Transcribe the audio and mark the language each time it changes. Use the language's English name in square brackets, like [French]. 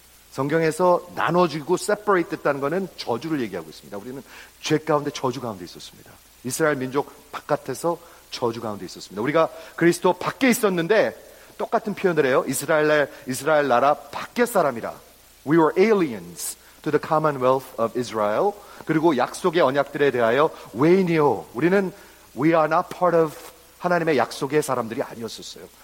[Korean] 성경에서 나눠지고 separate 됐다는 것은 저주를 얘기하고 있습니다. 우리는 죄 가운데 저주 가운데 있었습니다. 이스라엘 민족 바깥에서 저주 가운데 있었습니다. 우리가 그리스도 밖에 있었는데 똑같은 표현을 해요. 이스라엘 나라 밖에 사람이라. [English] We were aliens to the commonwealth of Israel. [Korean] 그리고 약속의 언약들에 대하여 외인이요. 우리는 [English] we are not part of [Korean] 하나님의 약속의 사람들이 아니었었어요.